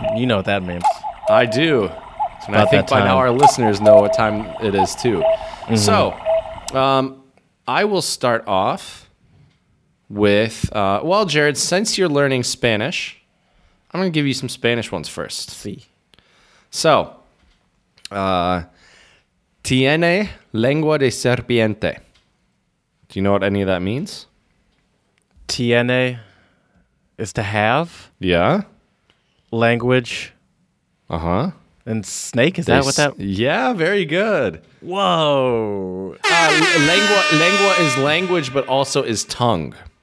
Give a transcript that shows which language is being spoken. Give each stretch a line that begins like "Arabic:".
English: You know what that means. I do. And I think by now our listeners know what time it is, too. Mm-hmm. So, I will start off with... well, Jared, since you're learning Spanish, I'm going to give you some Spanish ones first.
Spanish: Sí. So, tiene lengua de serpiente.
English: Do you know what any of that means?
Spanish: Tiene
English: is to have. Yeah. Language. Uh-huh. And snake, is that what that... Yeah, very good. Whoa. Lengua is language, but also is tongue.